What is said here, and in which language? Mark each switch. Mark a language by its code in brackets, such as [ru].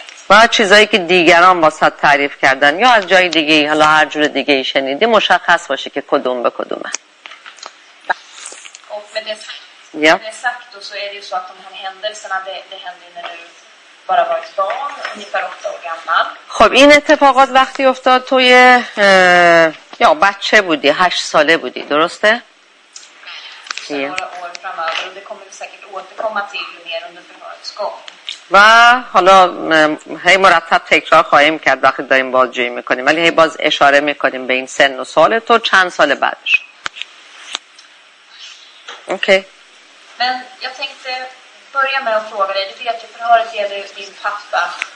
[fa] و چیزایی که دیگران واسه تعریف کردن یا از جای دیگه ای، حالا هر جور دیگه ای شنیدی، مشخص باشه که کدوم به کدومه. و به دفعه [sv] Ja. Det är sagt, och så är det ju så att de här händelserna, det hände när du bara var ett barn, ungefär 8 år gammal. [fa] خب این اتفاقات وقتی افتاد توی یا بچه بودی 8 ساله بودی درسته؟ [sv] Några år framöver, och det kommer vi säkert återkomma till mer under förhörets gång. [fa] و حالا هی مرتب تکرار خواهیم کرد وقتی داریم بازجویی میکنیم ولی هی باز اشاره میکنیم به این سن و سال تو چند سال بعدش اوکی من یا تنکت بریا می و فروغ دید دید که فرهارت یه دید پفتا